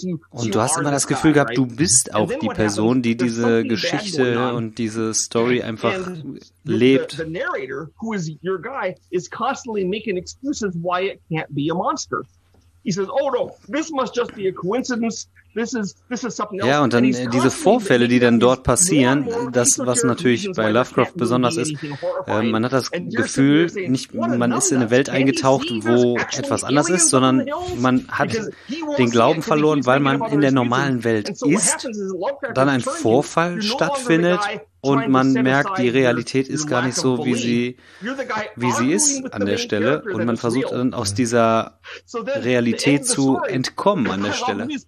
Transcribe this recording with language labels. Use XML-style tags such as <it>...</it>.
<de>Und du hast immer das Gefühl gehabt, du bist auch die Person, die diese Geschichte und diese Story einfach lebt.</de> <en>The narrator, who is your guy, is constantly making excuses why it can't be a monster. He says, oh no, this must just be a coincidence. This is something else.</en> <de>Ja, und dann diese Vorfälle, die dann dort passieren, das, was natürlich bei Lovecraft besonders ist, man hat das Gefühl, nicht, man ist in eine Welt eingetaucht, wo etwas anders ist, sondern man hat den Glauben verloren, weil man in der normalen Welt ist, dann ein Vorfall stattfindet und man merkt, die Realität ist gar nicht so, wie sie ist an der Stelle und man versucht dann aus dieser Realität zu entkommen an der Stelle.</de>